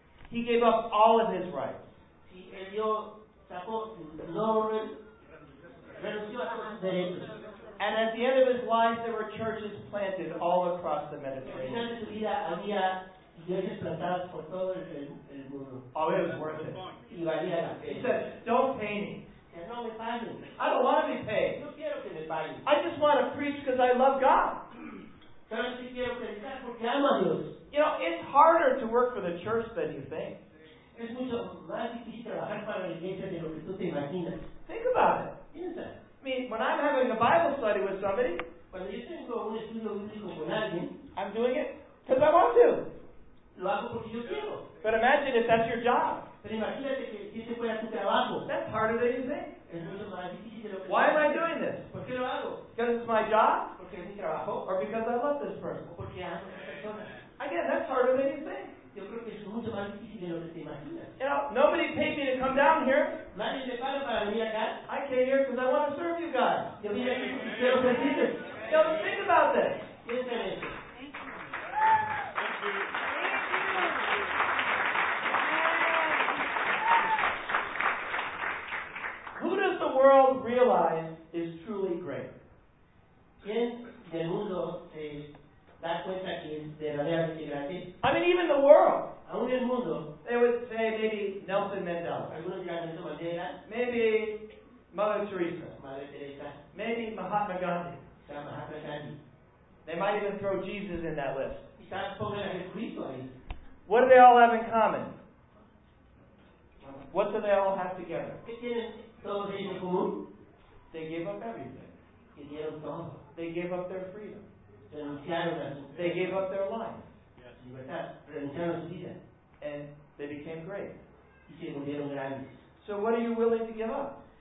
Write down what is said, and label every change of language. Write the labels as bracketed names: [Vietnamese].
[English] He gave up all of his rights. [Spanish] Si, él dio, sacó, no, renunció a sus derechos. [English] And at the end of his life, there were churches planted all across the Mediterranean. [Spanish] Al final de su vida, había iglesias plantadas por todo el mundo. [English] Oh, it was worth it. [Spanish] Y valía la pena. [English] He said, don't pay me. [Spanish] No me paguen. [English] I don't want to be paid. [Spanish] No quiero que me paguen. [English] I just want to preach because I love God. [Spanish] Pero si quiero predicar porque amo a Dios. [English] You know, it's harder to work for the church than you think. [Spanish] Es mucho más difícil trabajar para la iglesia de lo que tú te imaginas. [English] Think about it. [Spanish] Piensa. [English] I mean, when I'm having a Bible study with somebody, [Spanish] cuando yo tengo un estudio bíblico con alguien, [English] I'm doing it because I want to. [Spanish] Lo hago porque yo quiero. [English] But imagine if that's your job. [Spanish] Pero imagínate que ese fuera tu trabajo. [English] That's harder than you think. [Spanish] Es mucho más difícil de lo que [English] Why am I doing this? [Spanish] ¿Por qué lo hago? [English] Because it's my job? [Spanish] Porque es mi trabajo. [English] Or because I love this person? [Spanish] Porque amo a esta persona. [English] Again, that's harder than you think. [Spanish] Yo creo que es mucho más difícil de lo que te imaginas. [English] You know, nobody paid me to come down here. [Spanish] Nadie me paga para venir acá. [English] I came here because I want to serve you, God. [Spanish] Yo vine aquí porque quiero servirte. [English] Yo, think about this. [Spanish] Piensa en eso. [English] Who does the world realize is truly great? [Spanish] ¿Quién del mundo se da cuenta que es verdaderamente grande? [English] I mean, even the world. [Spanish] Aún el mundo. [English] They would say maybe Nelson Mandela. [Spanish] Algunos dirán Nelson Mandela. [English] Maybe Mother Teresa. [Spanish] Madre Teresa. [English] Maybe Mahatma Gandhi. [Spanish] Mahatma Gandhi. [English] They might even throw Jesus in that list. [Spanish] Quizás pongan a Jesucristo ahí. [English] What do they all have in common? What do they all have together? [Spanish] ¿Qué tienen todos ellos en común? [English] They gave up everything. [Spanish] ¿Qué dieron todo? [English] They gave up their freedom. [Spanish] Renunciaron a su [English] vida. They gave up their life. [Spanish] Libertad. Renunciaron a su vida. [English] And they became great. [Spanish] Y se volvieron grandes. [English] So what are you willing to give up?